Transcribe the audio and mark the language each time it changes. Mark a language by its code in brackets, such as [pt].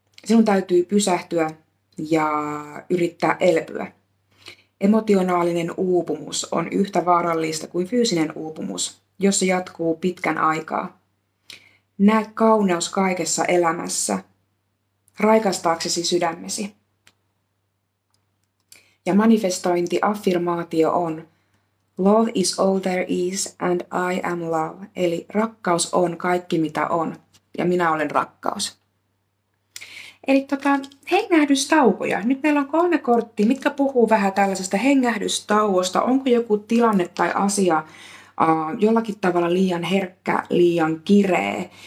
[fi] Sinun täytyy pysähtyä ja yrittää elpyä. Emotionaalinen uupumus on yhtä vaarallista kuin fyysinen uupumus, jos se jatkuu pitkän aikaa. Näe kauneus kaikessa elämässä, raikastaaksesi sydämesi. Ja manifestointiaffirmaatio on [en] Love is all there is and I am love. [fi] Eli rakkaus on kaikki mitä on ja minä olen rakkaus. Eli hengähdystaukoja. Nyt meillä on kolme korttia, mitkä puhuu vähän tällaisesta hengähdystauosta. Onko joku tilanne tai asia jollakin tavalla liian herkkä, liian kireä?